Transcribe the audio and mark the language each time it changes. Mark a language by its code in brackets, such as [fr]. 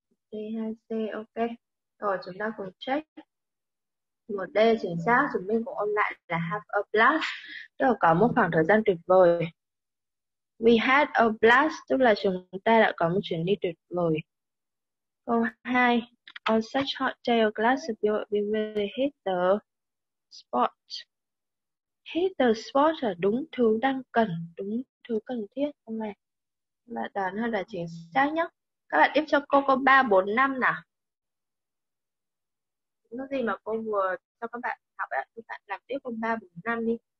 [vi] C2C, ok. Rồi chúng ta cùng check. Một D chính xác, chúng mình cũng ôn lại là [en] have a blast. [vi] Tức là có một khoảng thời gian tuyệt vời. [en] We had a blast, [vi] tức là chúng ta đã có một chuyến đi tuyệt vời. Câu 2. [en] On such hot day, a glass of beer really hit the spot. Hit the spot [vi] là đúng thứ đang cần, đúng thứ cần thiết không này. Bạn đoán hơn là chính xác nhất. Các bạn tiếp cho cô có 3, 4, 5 nào. Nó gì mà cô vừa cho các bạn học ấy, các bạn làm tiếp câu 3, 4, 5 đi.